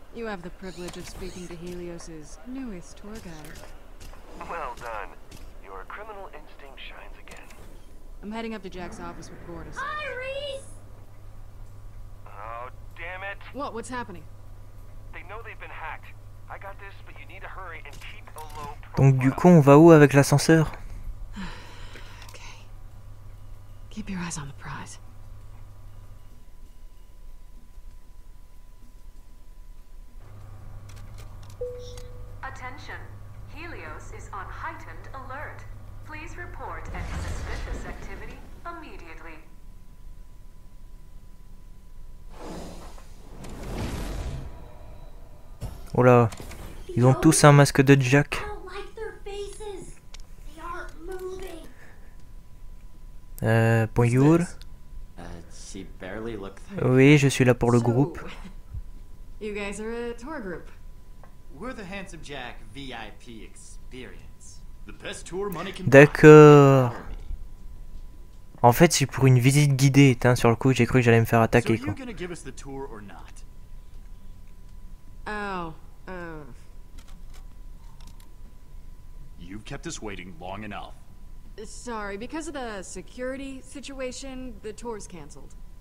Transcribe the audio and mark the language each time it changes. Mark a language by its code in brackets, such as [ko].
[en] You have the privilege of speaking to Helios's newest tour guide. Well done. Your criminal instinct shines again. I'm heading up to Jack's office with Gordas. Hi, Reese! Oh, damn it! What's happening? They know they've been hacked. I got this, but you need to hurry and keep a low profile. [fr] Donc du coup, on va où avec l'ascenseur? [en] Okay. Keep your eyes on the prize. Attention, Hélios is on heightened alert. Please report any suspicious activity immediately. [fr] Oh là, ils ont tous un masque de Jack. [en] I don't like their faces. They aren't moving. [fr] Bonjour. [en] She barely looked. [fr] Oui, je suis là pour le groupe. [en] You guys are a tour group. We're the Handsome Jack VIP experience. The best tour money can buy. [fr] D'accord. En fait, c'est pour une visite guidée, hein, sur le coup, j'ai cru que j'allais me faire attaquer, quoi. [en] So you're gonna give us the tour or not? Oh, You've kept us waiting long enough. Sorry, because of the security situation, the tour's canceled.